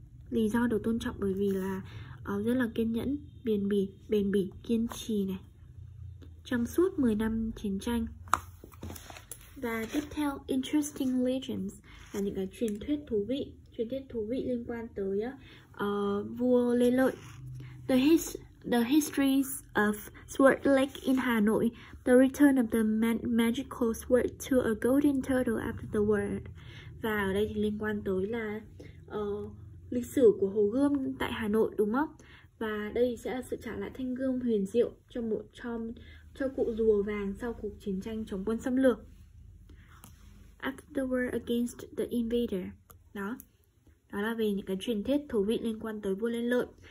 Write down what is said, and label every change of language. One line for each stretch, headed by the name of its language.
Vietnamese: Lý do được tôn trọng bởi vì là rất là kiên nhẫn, bền bỉ, kiên trì này. Trong suốt 10 năm chiến tranh. Và tiếp theo,
English: interesting legends
Vietnamese: là những cái truyền thuyết thú vị. Truyền thuyết thú vị liên quan tới vua Lê Lợi.
English: The histories of Sword Lake in Hà Nội. The return of the magical sword to a golden turtle after the war.
Vietnamese: Và ở đây thì liên quan tới là lịch sử của Hồ Gươm tại Hà Nội đúng không? Và đây sẽ là sự trả lại thanh gươm huyền diệu cho cụ rùa vàng sau cuộc chiến tranh chống quân xâm lược.
English: After the war against the invader.
Vietnamese: Đó là về những cái truyền thuyết thú vị liên quan tới vua Lê Lợi.